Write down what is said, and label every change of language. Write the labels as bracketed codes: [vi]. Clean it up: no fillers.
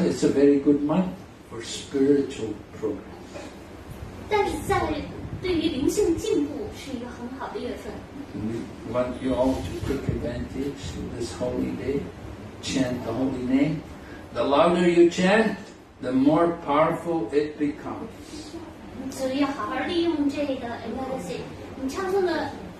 [en] it's a very good month for spiritual progress. [zh] 但是对于灵性进步是一个很好的月份。 [en] We want you all to take advantage of this holy day, chant the holy name. The louder you chant, the more powerful it becomes.